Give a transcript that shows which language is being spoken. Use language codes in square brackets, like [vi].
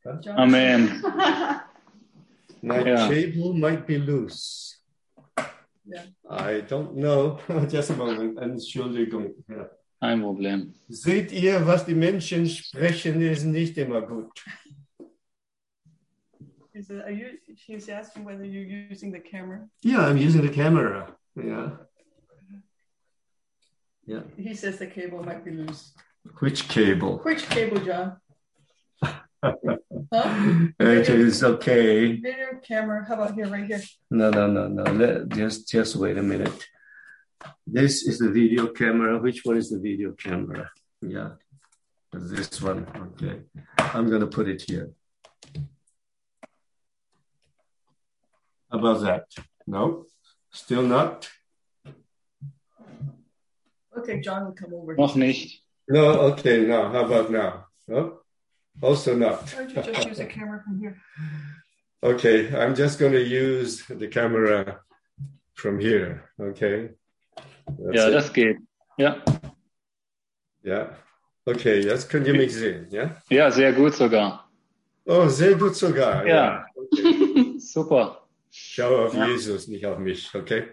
[de] Ja? Amen. [en] My table might be loose. Yeah. I don't know. Just a moment. Entschuldigung. [de] Kein Problem. Seht ihr, was die Menschen sprechen, ist nicht immer gut. [en] He's asking whether you're using the camera. Yeah, I'm using the camera. Yeah. Yeah. He says the cable might be loose. Which cable, John? Huh? Okay, it's okay. Video camera, how about here, right here? No. Just wait a minute. This is the video camera. Which one is the video camera? Yeah, this one. Okay, I'm going to put it here. How about that? No, still not. Okay, John will come over. [de] Noch nicht. [en] No, okay, now. How about now? No? Also not. Why don't you just use a camera from here? Okay, I'm just going to use the camera from here, okay? [de] That's das geht. Ja. Ja. Okay, jetzt könnt ihr mich sehen, ja? Ja, sehr gut sogar. Oh, sehr gut sogar. Ja. Ja. Okay. Super. Schau auf Jesus, nicht auf mich, okay?